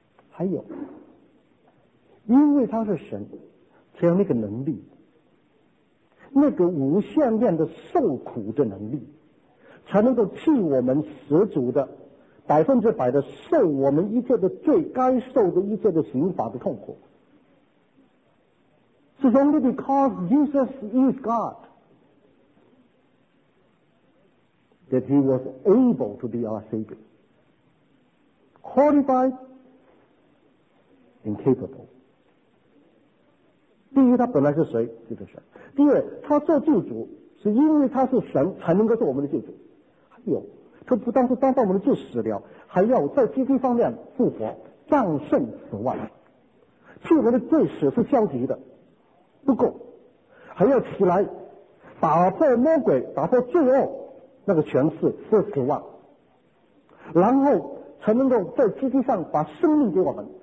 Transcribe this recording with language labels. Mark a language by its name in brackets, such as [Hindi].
[Chinese] 还有因为他是神，才有那个能力，那个无限量的受苦的能力，才能够替我们十足的100%的受我们一切的罪该受的一切的刑罚的痛苦。是 [English] only because Jesus is God that he was able to be our savior, qualified and capable。 [Chinese] 第一，他本来是谁？就是神。第二，他做救主是因为他是神才能够做我们的救主。还有他不但是当到我们的救死了，还要在基督方面复活，战胜死亡，替我们的罪死是消极的不够，还要起来打破魔鬼，打破罪恶那个权势是死亡，然后才能够在基督上把生命给我们。